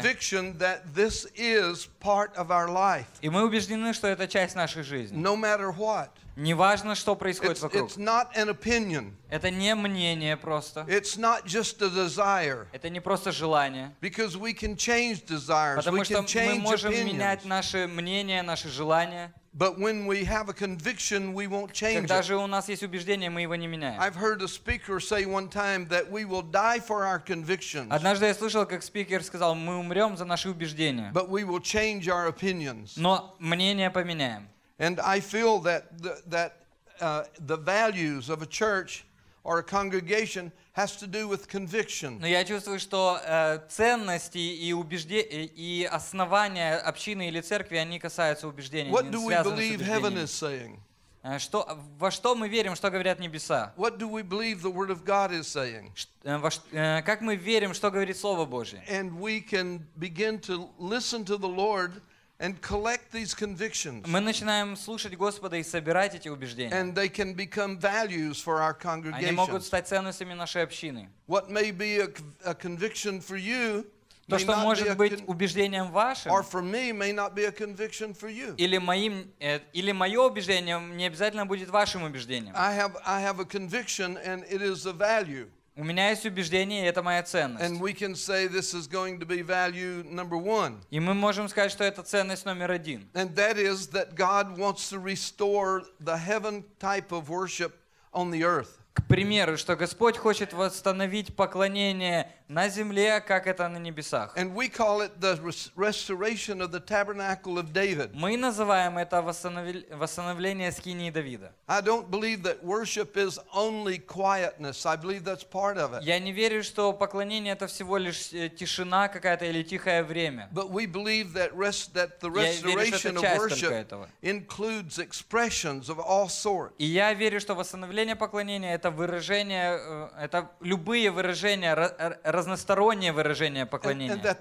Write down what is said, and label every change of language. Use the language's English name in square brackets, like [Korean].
[English] A conviction that this is part of our life. [Russian] И мы убеждены, что это часть нашей жизни. [English] No matter what. [Russian] Неважно, что происходит вокруг. [English] It's not an opinion. [Russian] Это не мнение просто. [English] It's not just a desire. [Russian] Это не просто желание. [English] Because we can change desires. [Russian] Потому что [English] we can change [Russian] мы можем [English] opinions. [Russian] Менять наши мнения, наши желания. [English] But when we have a conviction, we won't change it. [Russian] Когда же у нас есть убеждение, мы его не меняем. [English] I've heard a speaker say one time that we will die for our convictions. [Russian] Однажды я слышал, как спикер сказал, мы умрем за наши убеждения. [English] But we will change our opinions. [Russian] Но мнение поменяем. [English] And I feel that the values of a church or a congregation has to do with conviction. [Russian] Но я чувствую, что ценности и убеждения и основания общины или церкви, они касаются убеждений. [English] What do we believe heaven is saying? [Russian] Что, во что мы верим, что говорят небеса? [English] What do we believe the word of God is saying? [Russian] Как мы верим, что говорит Слово Божие? [English] And we can begin to listen to the Lord and collect these convictions. [Russian] Мы начинаем слушать Господа и собирать эти убеждения. [English] And they can become values for our congregation. [Russian] Они могут стать ценностями нашей общины. [English] What may be a conviction for you, [Russian] то, что может быть убеждением вашим, [English] or for me, may not be a conviction for you. [Russian] Или мое убеждение не обязательно будет вашим убеждением. [English] I have a conviction and it is a value. [Russian] У меня есть убеждение, и это моя ценность. И мы можем сказать, что это ценность номер один. [English] And that is that God wants to restore the heaven type of worship on the earth. [Russian] К примеру, что Господь хочет восстановить поклонение на земле, как это на небесах. [English] And we call it the restoration of the tabernacle of David. [Russian] Мы называем это восстановление скинии Давида. [English] I don't believe that worship is only quietness. I believe that's part of it. [Russian] Я не верю, что поклонение это всего лишь тишина какая-то или тихое время. [English] But we believe that the restoration of worship includes expressions of all sorts. [Russian] И я верю, что восстановление поклонения это выражение, это любые выражения, разностороннее выражение поклонения.